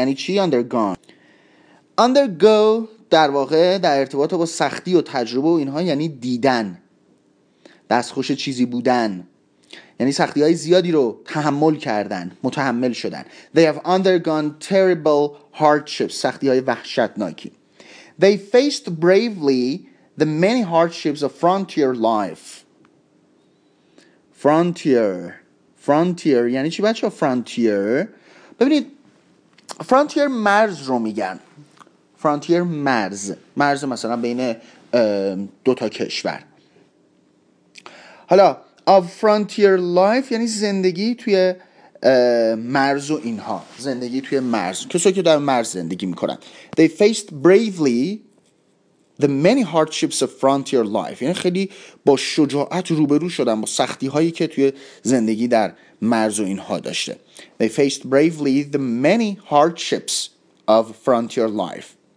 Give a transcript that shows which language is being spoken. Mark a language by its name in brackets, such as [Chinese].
[Persian] یعنی چی undergone؟ undergo در واقع در ارتباط با سختی و تجربه و اینها یعنی دیدن، دستخوش چیزی بودن، یعنی سختی های زیادی رو تحمل کردن، متحمل شدن. [English] They have undergone terrible hardships، [Persian] سختی های وحشتناکی. [English] They faced bravely the many hardships of frontier life. [Persian] Frontier یعنی چی بچه ها؟ frontier، ببینید، frontier مرز رو میگن، frontier مرز، مرز مثلا بین دوتا کشور. حالا [English] of frontier life [Persian] یعنی زندگی توی مرز و اینها، زندگی توی مرز، کسایی که در مرز زندگی میکنن. [English] They faced bravely the many hardships of frontier life، [Persian] یعنی خیلی با شجاعت روبرو شدن با سختی هایی که توی زندگی در مرز و اینها داشته. [English] They faced bravely the many hardships of frontier life.